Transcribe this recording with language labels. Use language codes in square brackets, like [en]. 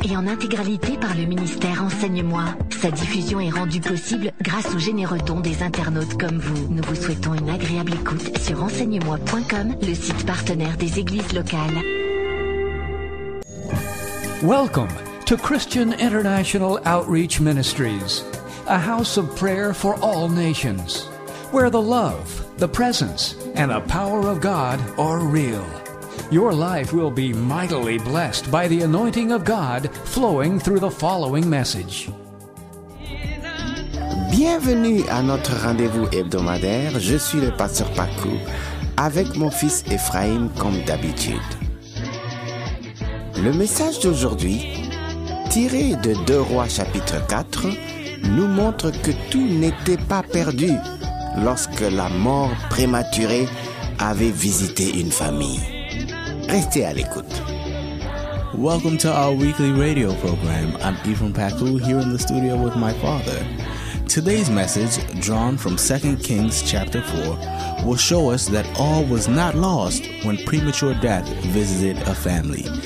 [fr] Et en intégralité par le ministère Enseigne-moi. Sa diffusion est rendue possible grâce aux généreux dons des internautes comme vous. Nous vous souhaitons une agréable écoute sur enseignemoi.com, le site partenaire des églises locales. [en] Welcome to Christian International Outreach Ministries, a house of prayer for all nations, where the love, the presence, and the power of God are real. Your life will be mightily blessed by the anointing of God flowing through the following message. [fr] Bienvenue à notre rendez-vous hebdomadaire. Je suis le pasteur Paco, avec mon fils Ephraim comme d'habitude. Le message d'aujourd'hui, tiré de 2 Rois chapitre 4, nous montre que tout n'était pas perdu lorsque la mort prématurée avait visité une famille. Restez à l'écoute. [en] Welcome to our weekly radio program. I'm Ephraim Paco here in the studio with my father. Today's message, drawn from 2 Kings chapter 4, will show us that all was not lost when premature death visited a family.